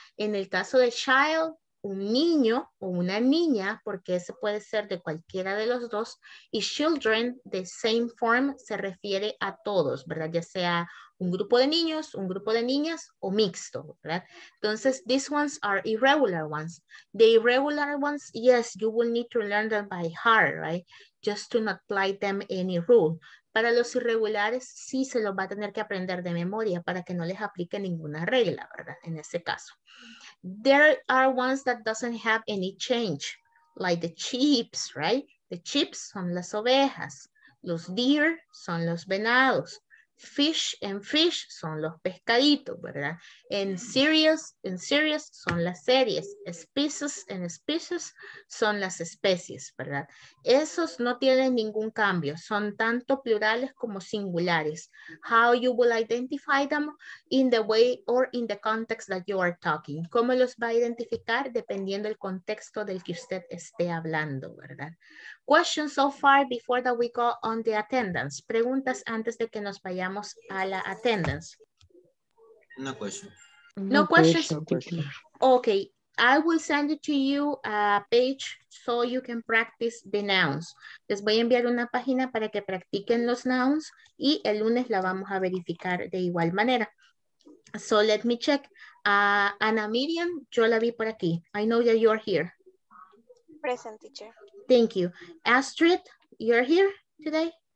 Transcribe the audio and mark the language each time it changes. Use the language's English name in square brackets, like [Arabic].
[Spanish] En el caso de child, un niño o una niña, porque ese puede ser de cualquiera de los dos, y children, [English] the same form, [Spanish] se refiere a todos, ¿verdad? Ya sea un grupo de niños, un grupo de niñas o mixto, ¿verdad? [English] Entonces, these ones are irregular ones. The irregular ones, yes, you will need to learn them by heart, right? Just to not apply them any rule. [Spanish] Para los irregulares, sí se los va a tener que aprender de memoria para que no les aplique ninguna regla, ¿verdad? En ese caso. [English] There are ones that doesn't have any change, like the sheep, right? [Spanish] The sheep son las ovejas. Los deer son los venados. Fish and fish son los pescaditos, ¿verdad? And series son las series. Species and species son las especies, ¿verdad? Esos no tienen ningún cambio. Son tanto plurales como singulares. [English] How you will identify them in the way or in the context that you are talking. [Spanish] ¿Cómo los va a identificar? Dependiendo del contexto del que usted esté hablando, ¿verdad? [English] Question so far before that we go on the attendance. [Spanish] Preguntas antes de que nos vayamos a la attendance. [English] No question. No questions. Okay, I will send it to you a page so you can practice the nouns. [Spanish] Les voy a enviar una página para que practiquen los nouns y el lunes la vamos a verificar de igual manera. [English] So let me check. [Spanish] Ana Miriam, yo la vi por aquí. [English] I know that you're here. Present, teacher. Thank you. Astrid, you're here today?